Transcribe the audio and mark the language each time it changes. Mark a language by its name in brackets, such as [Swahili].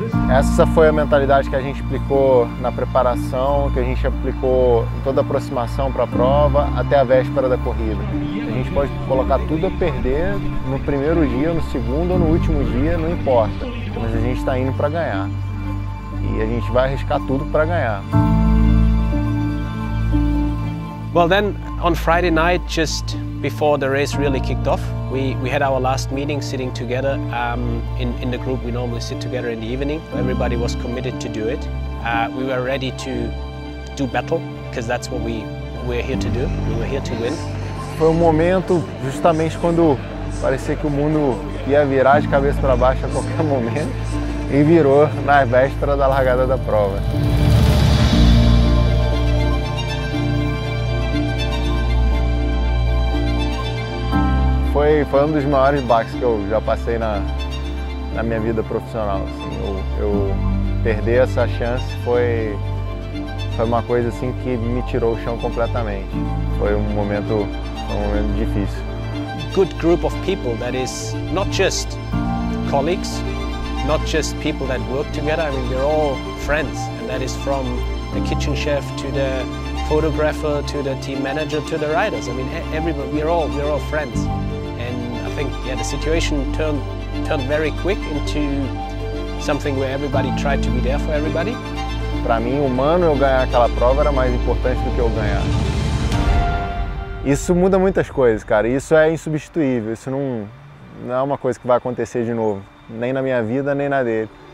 [Portuguese] Essa foi a mentalidade que a gente aplicou na preparação, que a gente aplicou em toda a aproximação para a prova, até a véspera da corrida. A gente pode colocar tudo a perder no primeiro dia, no segundo ou no último dia, não importa. Mas a gente está indo para ganhar. E a gente vai arriscar tudo para ganhar. [English] Well, then on Friday night, just before the race really kicked off, we had our last meeting sitting together in the group. We normally sit together in the evening. Everybody was committed to do it. We were ready to do battle because that's what we're here to do. We were here to win. [Portuguese] Foi um momento justamente quando parecia que o mundo ia virar de cabeça para baixo a qualquer momento e virou na véspera da largada da prova. Foi um dos maiores baques que eu já passei na minha vida profissional. Assim, eu perder essa chance foi uma coisa assim que me tirou o chão completamente. Foi um momento difícil. [English] Good group of people that is not just colleagues, not just people that work together. I mean, we're all friends, and that is from the kitchen chef to the photographer to the team manager to the riders. I mean, everybody. We're all friends. I think the situation turned very quick into something where everybody tried to be there for everybody. [Portuguese] Para mim, o Mano, eu ganhar aquela prova era mais importante do que eu ganhar. Isso muda muitas coisas, cara. Isso é insubstituível. Isso não é uma coisa que vai acontecer de novo, nem na minha vida, nem na dele.